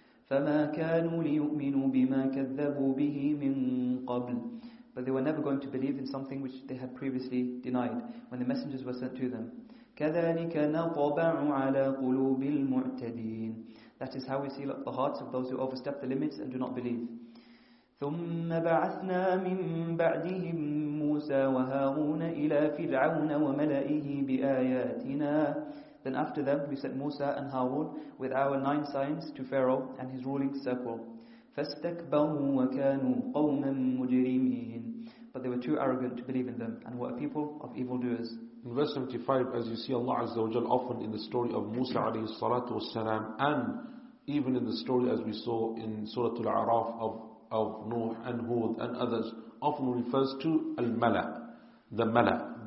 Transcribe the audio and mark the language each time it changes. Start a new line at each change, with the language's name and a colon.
Arabic: فَمَا كَانُوا لِيُؤْمِنُوا بِمَا كَذَّبُوا بِهِ مِنْ قَبْلٍ.
English: But they were never going to believe in something which they had previously denied when the messengers were sent to them.
Arabic: كَذَلِكَ نَطَبَعُ عَلَىٰ قُلُوبِ الْمُعْتَدِينَ.
English: That is how we seal up the hearts of those who overstep the limits and do not believe.
Arabic: ثم بعثنا من بعدهم موسى وهارون إلى فرعون وملئه بآياتنا.
English: Then after them we sent Musa and Harun with our nine signs to Pharaoh and his ruling circle.
Arabic: فَاسْتَكْبَرُوا وَكَانُوا قَوْمًا مُجْرِمِينَ.
English: But they were too arrogant to believe in them and were a people of evildoers. In verse 75, as you see Allah
Arabic: Azza wa Jal
English: often in the story of Musa
Arabic: alayhi salatu wasalam,
English: and even in the story as we saw in Surah Al-Araf of Nuh and Hud and others, often refers to Al-Mala. The Mala.